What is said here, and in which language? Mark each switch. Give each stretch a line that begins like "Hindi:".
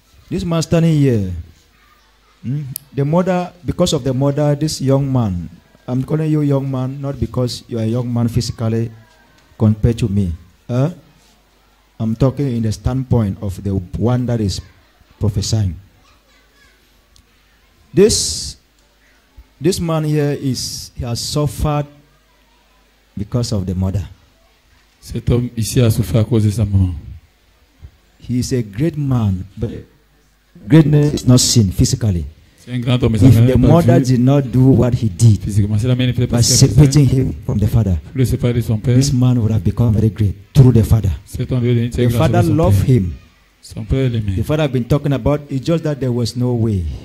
English: This man standing here. The mother, because of the mother, this young man, I'm calling you young man, not because you are a young man physically compared to me. I'm talking in the standpoint of the one that is prophesying. This man here has suffered because of the mother.
French: Cet homme ici a souffert à cause de sa maman.
English: He is a great man, but greatness is not seen physically. If the mother did not do what he did by separating him from the father, this man would have become very great through the father. The father loved him. The father had been talking about, it's just that there was no way.